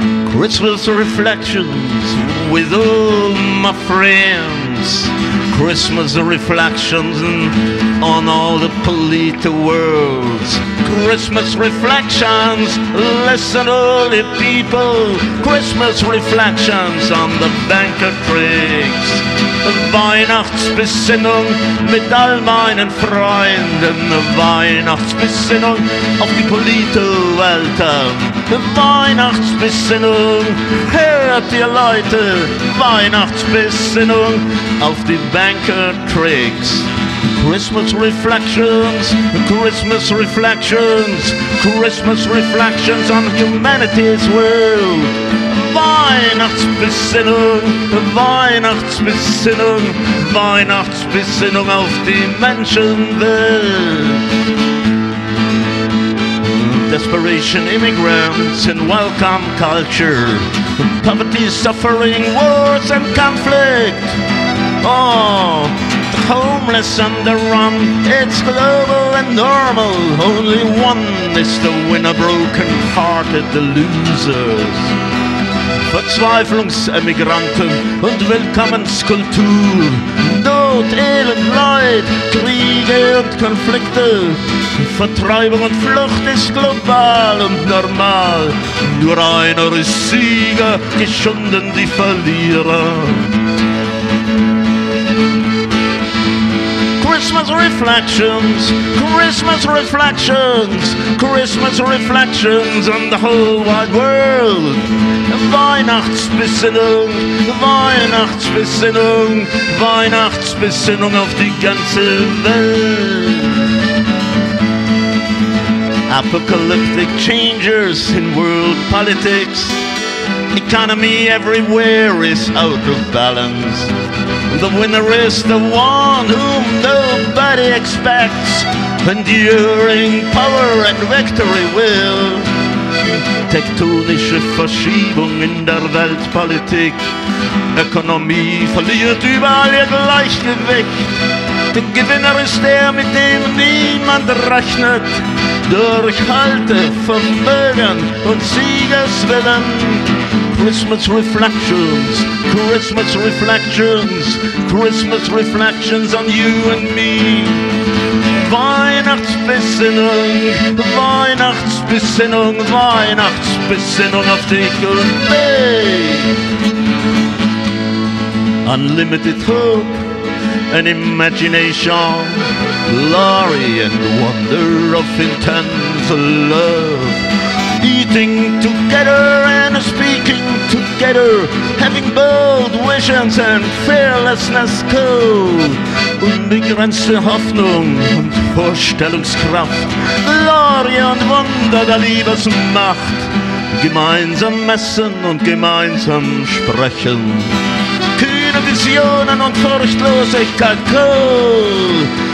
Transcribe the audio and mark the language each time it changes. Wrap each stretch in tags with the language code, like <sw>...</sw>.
<en>Christmas reflections with all my friends. Christmas reflections on all the polite worlds. Christmas reflections, listen all the people. Christmas reflections on the bank of tricks.</en> <de>Weihnachtsbesinnung mit all meinen Freunden. Weihnachtsbesinnung auf die polite Welt. Weihnachtsbesinnung, hört ihr Leute, Weihnachtsbesinnung auf die Banker-Tricks.</de> <en>Christmas Reflections, Christmas Reflections, Christmas Reflections on humanity's world.</en> <de>Weihnachtsbesinnung, Weihnachtsbesinnung, Weihnachtsbesinnung auf die Menschenwelt.</de> <en>Desperation, immigrants and welcome culture. Poverty, suffering, wars and conflict. Oh, the homeless and the run, it's global and normal. Only one is the winner, broken-hearted the losers.</en> <de>Verzweiflungsemigranten und Willkommenskultur. Not Elend, Leid, Kriege und Konflikte. Vertreibung und Flucht ist global und normal. Nur einer ist Sieger, geschunden die Verlierer.</de> <en>Christmas Reflections, Christmas Reflections, Christmas Reflections on the whole wide world.</en> <de>Weihnachtsbesinnung, Weihnachtsbesinnung, Weihnachtsbesinnung auf die ganze Welt.</de> <en>Apocalyptic changes in world politics. Economy everywhere is out of balance. The winner is the one whom nobody expects. Enduring power and victory will.</en> <de>Tektonische Verschiebung in der Weltpolitik. Ökonomie verliert überall ihr Gleichgewicht. Der Gewinner ist der, mit dem niemand rechnet. Durch Halte, Vermögen und Siegeswillen.</de> <en>Christmas Reflections, Christmas Reflections, Christmas Reflections on you and me.</en> <de>Weihnachtsbesinnung, Weihnachtsbesinnung, Weihnachtsbesinnung auf dich und mich.</de> <en>Unlimited hope and imagination, glory and wonder of intense love. Eating together and speaking together, having bold visions and fearlessness code.</en> <de>Unbegrenzte Hoffnung und Vorstellungskraft, Glory und Wunder der Liebesmacht. Gemeinsam essen und gemeinsam sprechen, kühne Visionen und Furchtlosigkeit code.</de>